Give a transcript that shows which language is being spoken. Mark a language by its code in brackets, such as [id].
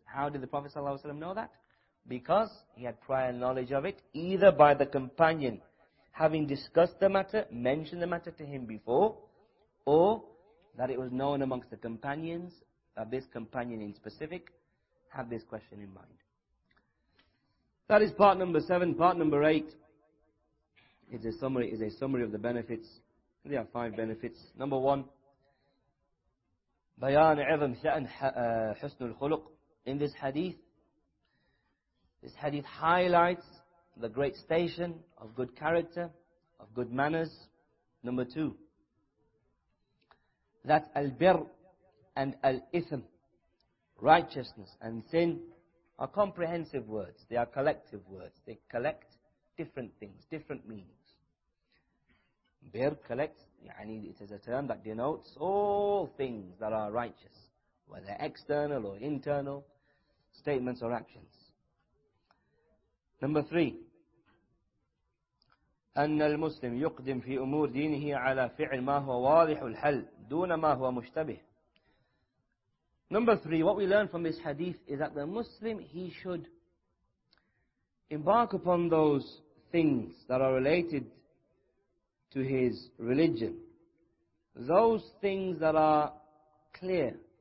[en] How did the Prophet ﷺ know that? Because he had prior knowledge of it, either by the companion having discussed the matter, mentioned the matter to him before, or that it was known amongst the companions that this companion in specific had this question in mind. That is part number seven. Part number eight is a summary of the benefits. There are five benefits. Number one, [ar] بيان عظم شأن حسن الخلق. [en] In this hadith highlights the great station of good character, of good manners. Number two, that البر and الإثم, righteousness and sin, are comprehensive words. They are collective words. They collect different things, different meanings. بر collects, it is a term that denotes all things that are righteous, whether external or internal statements or actions. Number three, [ar] أن المسلم يقدم في أمور دينه على فعل ما هو واضح الحل دون ما هو مشتبه. [en] Number three, what we learn from this hadith is that the Muslim, he should embark upon those things that are related to his religion, those things that are clear.